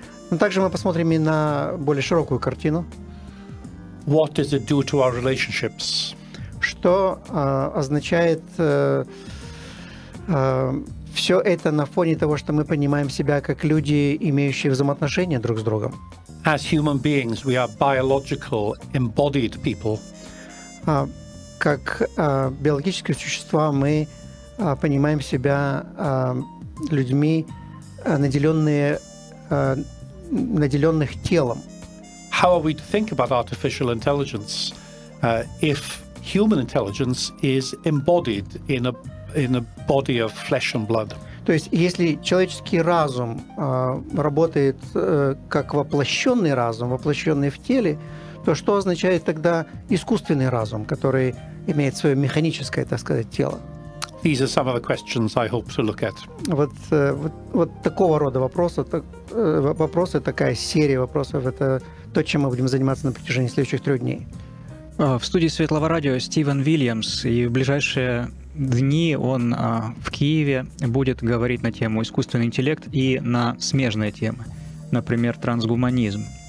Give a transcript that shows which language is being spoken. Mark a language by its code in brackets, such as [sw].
[ru] Но также мы посмотрим и на более широкую картину. [en] What does it do to our relationships? [ru] Что означает все это на фоне того, что мы понимаем себя как люди, имеющие взаимоотношения друг с другом? [en] As human beings, we are biological embodied people. [ru] Как биологические существа мы понимаем себя людьми, наделенных телом. [en] How are we to think about artificial intelligence if human intelligence is embodied in a body of flesh and blood? [ru] То есть, если человеческий разум работает как воплощенный разум, воплощенный в теле, то что означает тогда искусственный разум, который имеет свое механическое, так сказать, тело? [en] These are some of the questions I hope to look at. [ru] Вот такого рода вопросы, такая серия вопросов, это то, чем мы будем заниматься на протяжении следующих трех дней. В студии Светлого радио Стівен Вільямс, и в ближайшие дни он в Киеве будет говорить на тему искусственный интеллект и на смежные темы, например, трансгуманизм.